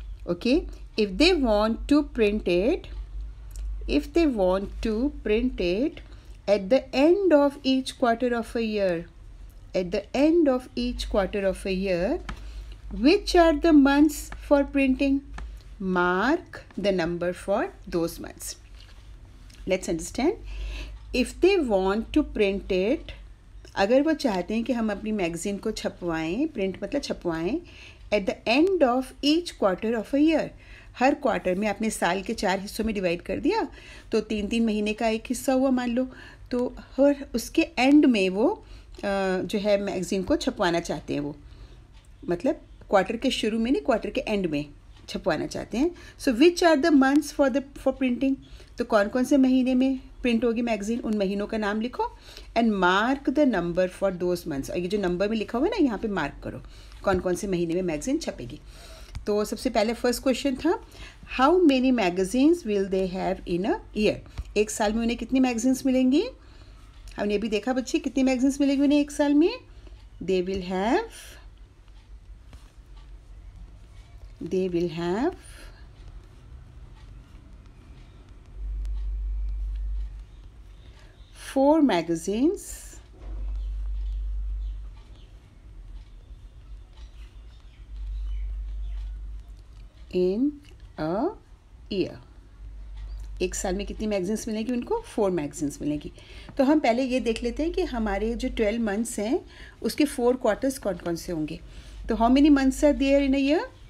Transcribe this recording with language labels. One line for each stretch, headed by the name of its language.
English: Okay, if they want to print it, if they want to print it at the end of each quarter of a year, at the end of each quarter of a year, which are the months for printing? Mark the number for those months. Let's understand. If they want to print it,
Hindi: अगर वो चाहते हैं कि हम अपनी magazine को छपवाएं, print मतलब छपवाएं,
English: at the end of each quarter of a year,
Hindi: हर quarter में आपने साल के चार हिस्सों में डिवाइड कर दिया, तो तीन तीन महीने का एक हिस्सा हुआ मान लो, तो हर उसके एंड में वो जो है मैगज़ीन को छपवाना चाहते हैं, वो मतलब क्वार्टर के शुरू में नहीं, क्वार्टर के एंड में छपवाना चाहते हैं।
English: So which are the months for the for printing?
Hindi: तो कौन कौन से महीने में प्रिंट होगी मैगजीन, उन महीनों का नाम लिखो
English: And mark the number for those months.
Hindi: ये जो नंबर में लिखा हुआ है ना, यहाँ पे मार्क करो कौन कौन से महीने में मैगजीन छपेगी। तो सबसे पहले फर्स्ट क्वेश्चन था,
English: How many magazines will they have in a year?
Hindi: एक साल में उन्हें कितनी मैगजीन्स मिलेंगी? हमने अभी देखा बच्चे, कितनी मैगजीन्स मिलेंगी उन्हें एक साल में? दे will have, they will have 4 magazines in a year. एक साल में कितनी मैगजीन्स मिलेंगी उनको? 4 मैगजीन्स मिलेंगी। तो हम पहले ये देख लेते हैं कि हमारे जो 12 मंथ्स हैं उसके 4 क्वार्टर्स कौन कौन से होंगे।
English: तो how many months are there in a year?